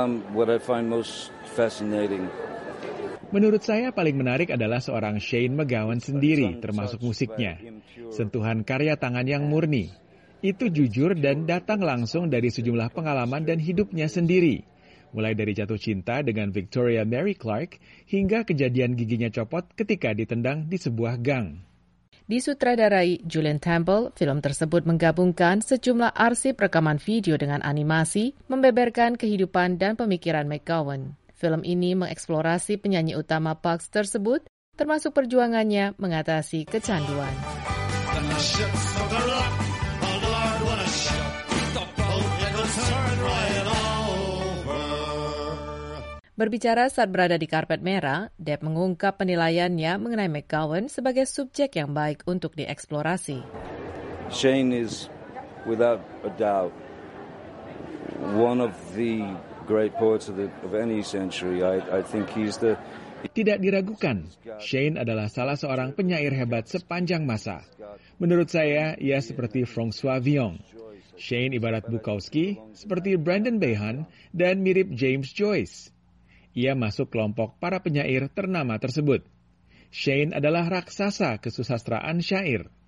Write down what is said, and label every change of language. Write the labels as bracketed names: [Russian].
[English] What I find most fascinating. [Indonesian] Menurut saya paling menarik adalah seorang Shane McGowan sendiri, termasuk musiknya. Sentuhan karya tangan yang murni. Itu jujur dan datang langsung dari sejumlah pengalaman dan hidupnya sendiri. Mulai dari jatuh cinta dengan Victoria Mary Clark, hingga kejadian giginya copot ketika ditendang di sebuah gang. Disutradarai Julian Temple, film tersebut menggabungkan sejumlah arsip rekaman video dengan animasi, membeberkan kehidupan dan pemikiran McGowan. Film ini mengeksplorasi penyanyi utama Pogues tersebut, termasuk perjuangannya mengatasi kecanduan. Berbicara saat berada di karpet merah, Depp mengungkap penilaiannya mengenai McGowan sebagai subjek yang baik untuk dieksplorasi. [English] Shane is without a doubt one of the great poets of any century. I think he's the. [Indonesian] Tidak diragukan, Shane adalah salah seorang penyair hebat sepanjang masa. Menurut saya, ia seperti François Villon. Shane ibarat Bukowski, seperti Brandon Behan, dan mirip James Joyce. Ia masuk kelompok para penyair ternama tersebut. Shane adalah raksasa kesusastraan syair.